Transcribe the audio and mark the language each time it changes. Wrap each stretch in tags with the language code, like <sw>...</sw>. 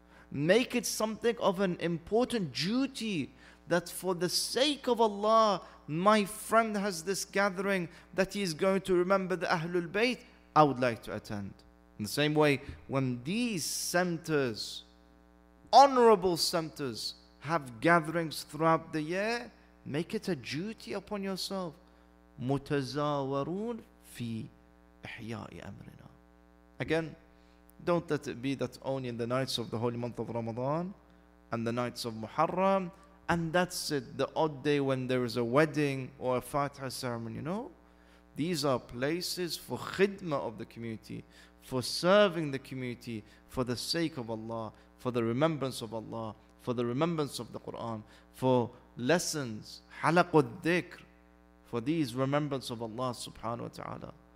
<en>Make it something of an important duty that for the sake of Allah, my friend has this gathering that he is going to remember the Ahlul Bayt, I would like to attend. In the same way, when these centers, honorable centers, have gatherings throughout the year, make it a duty upon yourself.</en> <ar>متزاورون في إحياء أمرنا.</ar> <en>Again, don't let it be that only in the nights of the holy month of Ramadan and the nights of Muharram, and that's it, the odd day when there is a wedding or a Fatiha ceremony. No, these are places for khidmah of the community, for serving the community, for the sake of Allah, for the remembrance of Allah, for the remembrance of the Quran, for lessons, halaqud dhikr, for these remembrance of Allah subhanahu wa ta'ala.</en>